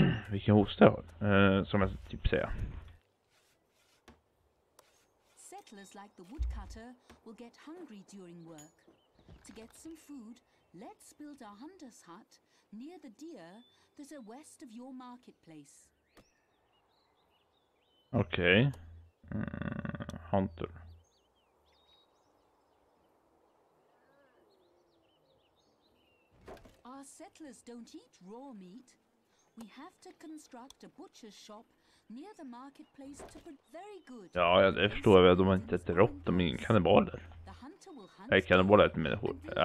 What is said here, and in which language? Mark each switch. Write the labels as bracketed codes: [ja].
[sv] Vilken hosta jag har, som jag typ säger. [en] Settlers like the woodcutter will get hungry during work. To get some food, let's build a hunter's hut near the deer that are west of your marketplace. [sv] Okej. Hunter. [en] Settlers don't eat raw meat. We have to construct a butcher's shop near the marketplace to put very good. [sv] Ja, ja, det förstår jag väl. De har inte ett rått, de är ingen kannibaler. Nej, kannibaler är inte människor.